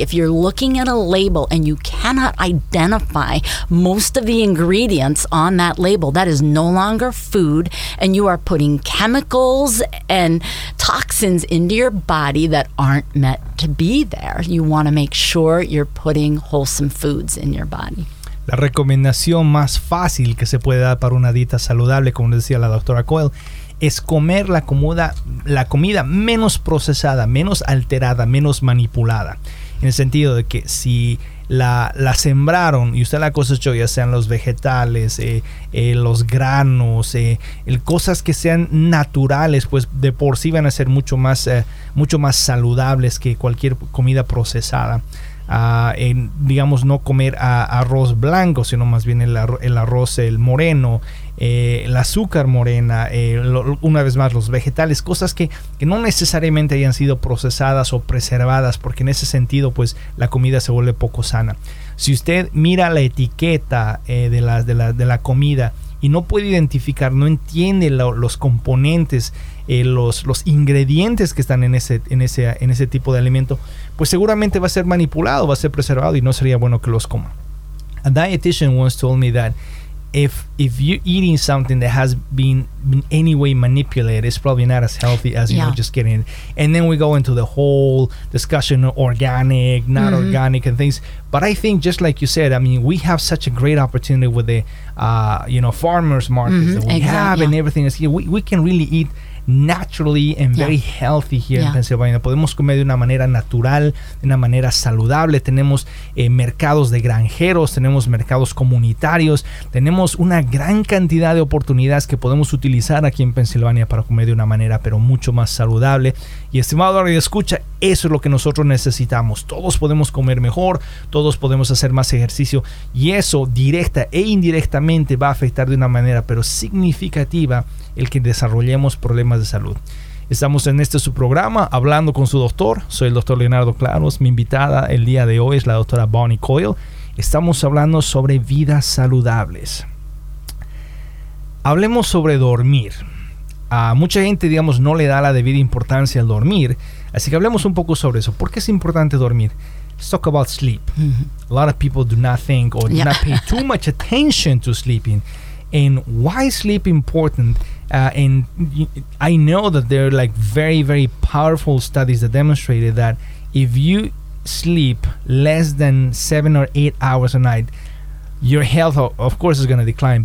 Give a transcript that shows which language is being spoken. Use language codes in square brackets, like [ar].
[en] If you're looking at a label and you cannot identify most of the ingredients on that label, that is no longer food, and you are putting chemicals and toxins into your body that aren't meant to be there. You want to make sure you're putting wholesome foods in your body. [es] La recomendación más fácil que se puede dar para una dieta saludable, como decía la doctora Coyle, es comer la comida menos procesada, menos alterada, menos manipulada. En el sentido de que si la sembraron y usted la cosechó, ya sean los vegetales, los granos, cosas que sean naturales, pues de por sí van a ser mucho más saludables que cualquier comida procesada. Digamos, no comer arroz blanco, sino más bien el arroz moreno, el azúcar morena, una vez más los vegetales, cosas que no necesariamente hayan sido procesadas o preservadas, porque en ese sentido pues la comida se vuelve poco sana. Si usted mira la etiqueta de la comida y no puede identificar, no entiende los componentes, los ingredientes que están en ese tipo de alimento, pues seguramente va a ser manipulado, va a ser preservado y no sería bueno que los coma. [en] A dietitian once told me that if you're eating something that has been any way manipulated, it's probably not as healthy as you were just getting. And then we go into the whole discussion of organic, not organic and things. But I think just like you said, I mean, we have such a great opportunity with the farmers markets that we have and everything is here. We can really eat naturally and very healthy here in Pennsylvania. [es] Podemos comer de una manera natural, de una manera saludable. Tenemos mercados de granjeros, tenemos mercados comunitarios, tenemos una gran cantidad de oportunidades que podemos utilizar aquí en Pennsylvania para comer de una manera pero mucho más saludable. Y estimado radio escucha, eso es lo que nosotros necesitamos. Todos podemos comer mejor, todos podemos hacer más ejercicio, y eso directa e indirectamente va a afectar de una manera pero significativa el que desarrollemos problemas de salud. Estamos en este su programa, Hablando con su Doctor. Soy el doctor Leonardo Claros. Mi invitada el día de hoy es la doctora Bonnie Coyle. Estamos hablando sobre vidas saludables. Hablemos sobre dormir. A mucha gente, digamos, no le da la debida importancia al dormir. Así que hablemos un poco sobre eso. ¿Por qué es importante dormir? [en] Let's talk about sleep. A lot of people do not think or do not pay too much attention to sleeping. And why is sleep important? And I know that there are like very, very powerful studies that demonstrated that if you sleep less than 7 or 8 hours a night, your health, of course, is going to decline.